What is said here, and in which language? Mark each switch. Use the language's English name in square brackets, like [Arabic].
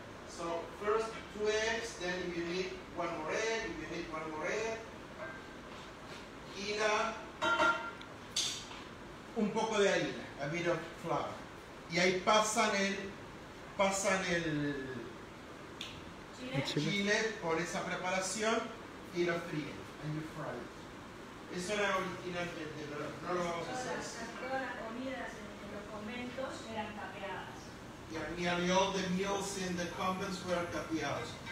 [English] So first two eggs, then if you need one more egg, if you need one more egg. [Spanish] Y la un poco de harina, [English] a bit of flour. [Spanish] Y ahí pasan el chile por esa preparación y lo fríen. [English] And you fry it. [Spanish] Eso era originalmente, pero no lo vamos a hacer. Todas las comidas en los conventos eran capeadas. [English] Yeah, nearly all the meals in the convents were capeados.